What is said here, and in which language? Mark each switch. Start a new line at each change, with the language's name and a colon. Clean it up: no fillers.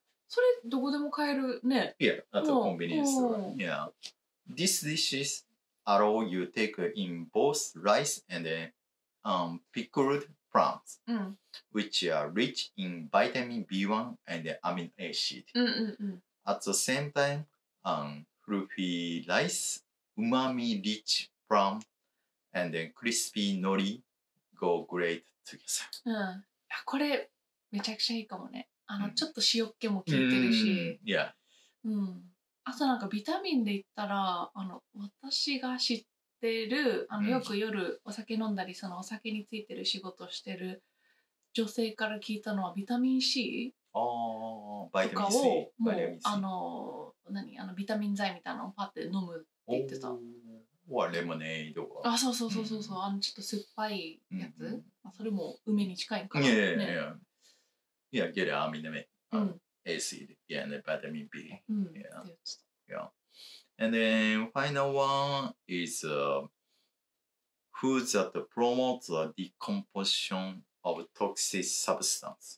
Japanese: それどこでも買えるね。いや、あとコンビニエンスストア。いや。
English: This dish is allow you take in both rice and pickled plums,、うん、 which are rich in vitamin B1 and amino acid. うんうんうん。 At the same time, fluffy rice, umami rich plum, and then crispy nori. Go great together.
Japanese: うん、これめちゃくちゃいいかもね。あの、うん、ちょっと塩っ気も効いてるし、 yeah. うん、あとなんかビタミンで言ったら、あの私が知ってる、あのよく夜お酒飲んだり、そのお酒についてる仕事してる女性から聞いたのはビタミン C とかを、もうあの何あのビタミン剤みたいなのをパッて飲むって言ってた。はレモネードか。あ、そうそうそうそうそう、うん、あのちょっと酸っぱいやつ、うん、あそれも梅に近いからね。いやいやいや、ゲラアミネメ、うん、エシド、いやね、バタミン B、うん、 yeah. yeah.
English: And then final one is foods that promote the decomposition of toxic substance。